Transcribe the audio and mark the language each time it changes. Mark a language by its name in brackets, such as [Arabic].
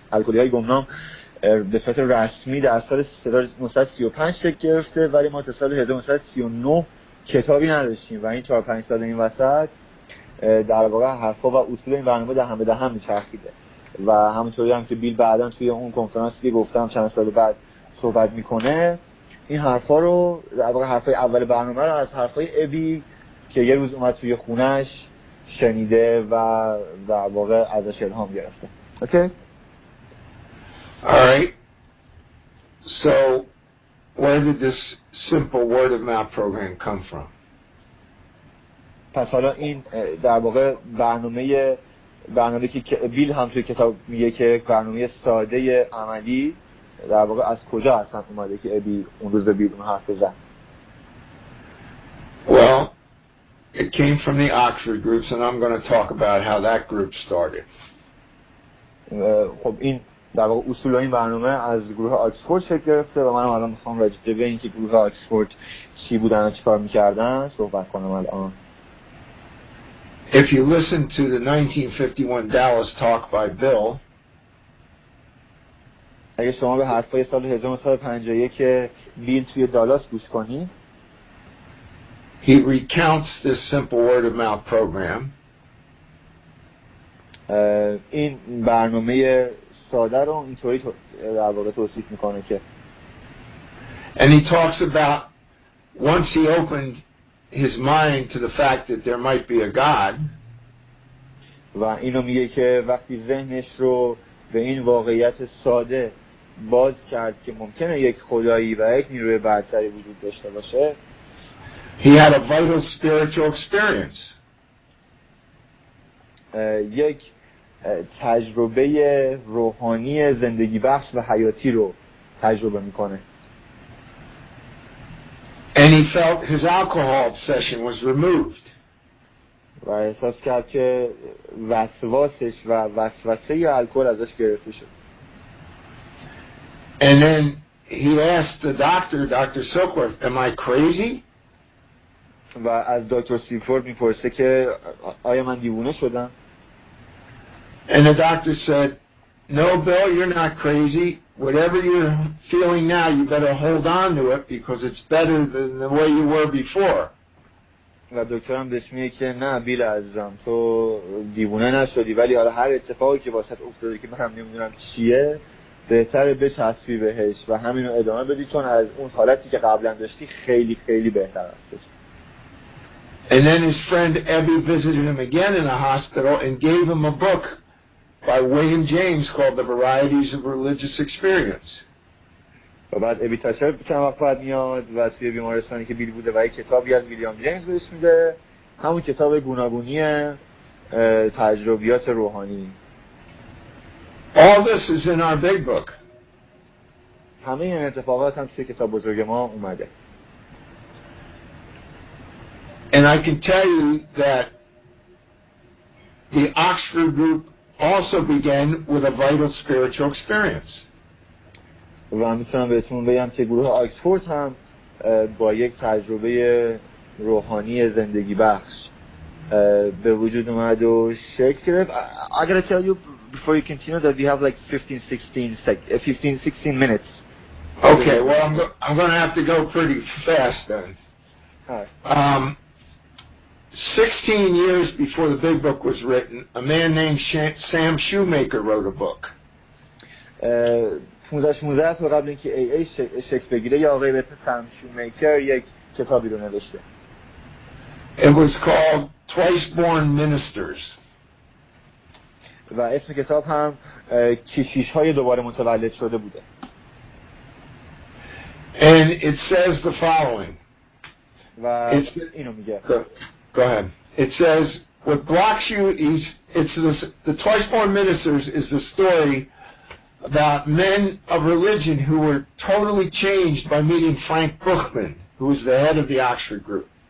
[Persian] الکلی‌های گمنام به صورت رسمی در سال 1935 شکل گرفته، ولی ما تا سال 1939 کتابی نداشتیم و این 4-5 سال این وسط در واقع حرفا و اصول این برنامه دهن به دهن میچرخیده و همونطوری هم که بیل بعدا توی اون کنفرانسی که گفتم چند سال بعد صحبت میکنه، این حرفا رو در واقع حرفای اول برنامه رو از حرفای ابی که یه روز اومد توی خونش شنیده و در واقع ازش الهام گرفته. اوکی؟ [English] All right. So, where did this simple word of mouth program come from? [Persian] پس حالا این در واقع برنامه‌ای که بیل هم توی کتاب میگه که برنامه ساده عملی در واقع از کجا اصلا اومده که ابی اون روز به بیل اون حرف زد؟ [English] Well, it came from the Oxford groups, and I'm going to talk about how that group started. [Persian] خب این در واقع اصول این برنامه از گروه آکسفورد شکل گرفته و منم الان میخوام راجع به این که گروه آکسفورد چی بودن و چی کار میکردن صحبت کنم الان. [English] If you listen to the 1951 Dallas talk by Bill, [Persian] اگه شما به حرفای سال 1951 بیل توی دالاس گوش کنی، [English] he recounts this simple word of mouth program. [Persian] این برنامه ساده رو اینطوری در واقع توصیف میکنه که [English] and he talks about once he opened his mind to the fact that there might be a God [Persian] و اینو میگه که وقتی ذهنش رو به این واقعیت ساده باز کرد که ممکنه یک خدایی و یک نیروی برتری وجود داشته باشه [English] he had a vital spiritual experience [Persian] یک تجربه روحانی زندگی بخش و حیاتی رو تجربه میکنه. [English] And he felt his alcohol obsession was removed. [Persian] و احساس کرد که وسواسش و وسوسه ی الکل ازش گرفته شد. [English] And then he asked the doctor, Dr. Silkworth, am I crazy? [Persian] و از دکتر سیلفورد میپرسه که آیا من دیوونه شدم؟ [English] And the doctor said, no, Bill, you're not crazy. Whatever you're feeling now, you better hold on to it because it's better than the way you were before. [Persian] و دکترم بهش میگه که نه بیل عزیزم تو دیوونه نشدی، ولی حالا هر اتفاقی که واسط افتاده که من هم نمیدونم چیه بهتره بچسبی بهش و همینو ادامه بدی، چون از اون حالتی که قبلا داشتی خیلی خیلی بهتر هستش. [English] And then his friend Abby visited him again in a hospital and gave him a book by William James called The Varieties of Religious Experience. [Persian] و بعد ابی تاشر چند وقت بعد میاد و توی بیمارستانی که بیل بوده و یک کتابی از ویلیام جیمز بهش میده، همون کتاب گوناگونی تجربیات روحانی. [English] All this is in our big book. [Persian] همه این اتفاقات هم توی کتاب بزرگ ما اومده. [English] And I can tell you that the Oxford group also began with a vital spiritual experience. [Persian] و من میتونم بهتون بگم که گروه آکسفورد هم با یک تجربه روحانی زندگی بخش به وجود اومد و شکل گرفت. [English] I gotta tell you before you continue that we have like 15-16 minutes. Okay, well I'm gonna have to go pretty fast then. Right. 16 years before the big book was written, a man named Sam Shoemaker wrote a book. [Persian] 15 سال قبل اینکه ای شکل بگیره یا آقای بهت سم شومیکر یک کتابی رو نوشته. [English] It was called Twice Born Ministers. [Persian] و اسم کتاب هم کشیش‌های دوباره متولد شده بوده. [English] And it says the following. [Persian] و اینو میگه. [English] Go ahead. It says what blocks you is it's the Twice Born Ministers is the story about men of religion who were totally changed by meeting Frank Buchman, who was the head of the Oxford group.